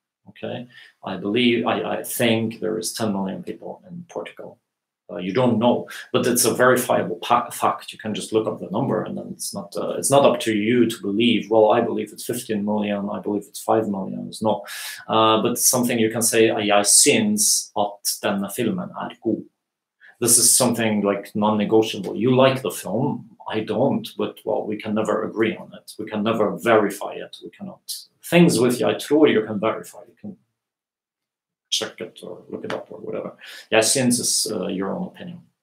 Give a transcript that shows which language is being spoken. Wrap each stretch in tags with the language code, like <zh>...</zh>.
<en>Okay, I think there is 10 million people in Portugal. You don't know, but it's a verifiable fact. You can just look up the number, and then it's not up to you to believe. Well, I believe it's 15 million. I believe it's 5 million. It's not, but something you can say.</en> <no>Jeg synes at denne filmen god.</no> <en>This is something like non-negotiable. You like the film. I don't, but well, we can never agree on it. We can never verify it. We cannot. Things with</en> <no>jeg tror</no> <en>you can verify. You can check it or look it up or whatever.</en> <no>Jeg synes</no> <en>is your own opinion.</en>